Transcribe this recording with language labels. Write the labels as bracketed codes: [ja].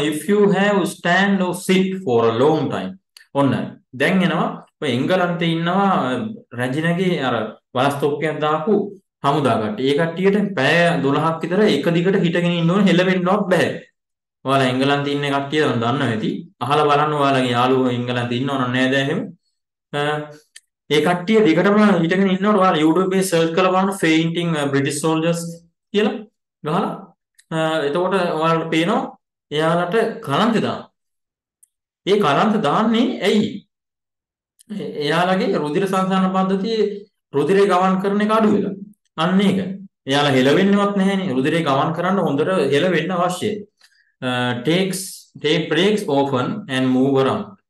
[en] if you have stand or sit for a long time. [si] ඔන්න දැන් එනවා. ඔය එංගලන්තේ ඉන්නවා රජිනගේ අර වලස්තොප්පියක් දාපු හමුදා කට්ටිය. ඒ කට්ටියට පැය 12ක් විතර එක දිගට හිටගෙන ඉන්න ඕනේ, හෙළවෙන්නවත් බෑ. ඔයාලා එංගලන්තේ ඉන්න කට්ටිය දන්නව ඇති. අහලා බලන්න ඔයාලගේ යාළුවෝ එංගලන්තේ ඉන්නව නැද එහෙම. ඒ කට්ටිය දිගටම හිටගෙන ඉන්නකොට ඔයාලා YouTube එකේ සර්ච් කරලා බලන්න [en] fainting British soldiers [si] කියලා ගහලා. එතකොට ඔයාලට පේනවා එයාලට කලන්ත දාන. ඒ කලන්ත දාන්නේ ඇයි? එයාලගේ රුධිර සංසරණ පද්ධතිය රුධිරේ ගමන් කරන එක අඩු වෙලා. අන්න ඒක. එයාලා හෙලවෙන්නවත් නැහැනේ. රුධිරේ ගමන් කරන්න හොඳට හෙලවෙන්න අවශ්‍යයි. [en] take breaks often and move around.